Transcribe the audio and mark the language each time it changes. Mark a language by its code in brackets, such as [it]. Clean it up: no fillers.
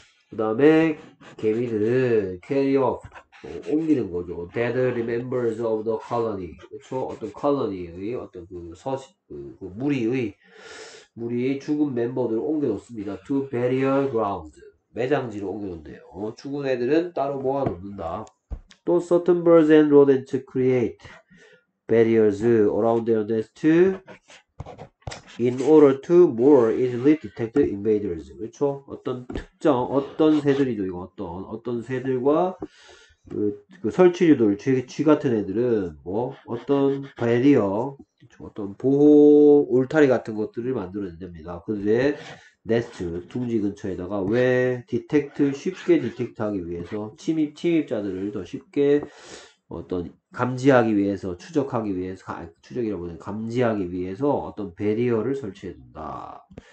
[ko] 그 다음에 개미들은 [en] carry off. [ko] 옮기는 거죠. [en] Dead members of the colony. [ko] 그렇죠? 어떤 colony의 어떤 그 서식, 그 무리의 죽은 멤버들을 옮겨놓습니다. [en] To burial ground. [ko] 매장지로 옮겨놓는데요. 죽은 애들은 따로 모아놓는다. [en] 또 certain birds and rodents create burials around their nest to in order to more easily detect invaders. [ko] 그렇죠? 어떤 새들이죠. 이거 어떤 새들과 그 설치류들, 쥐 같은 애들은, 뭐, 어떤 배리어, 어떤 보호 울타리 같은 것들을 만들어 냅니다. 그들의 네스트, 둥지 근처에다가, 왜, 쉽게 디텍트하기 위해서, 침입자들을 더 쉽게, 어떤, 감지하기 위해서, 추적하기 위해서, 추적이라고 하는 감지하기 위해서 어떤 배리어를 설치해 둔다.